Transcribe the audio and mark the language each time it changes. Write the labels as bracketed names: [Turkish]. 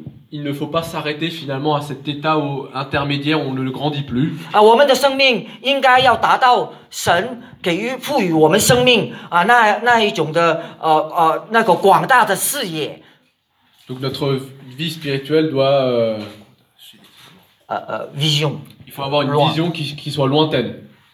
[French] Il ne faut pas s'arrêter finalement à cet état où, intermédiaire où on ne le grandit plus. [Chinese] 我们的生命应该要达到神给予赋予我们生命那一种的那个广大的视野。 [French] Donc notre vie spirituelle doit vision. Il faut avoir une vision qui soit lointaine.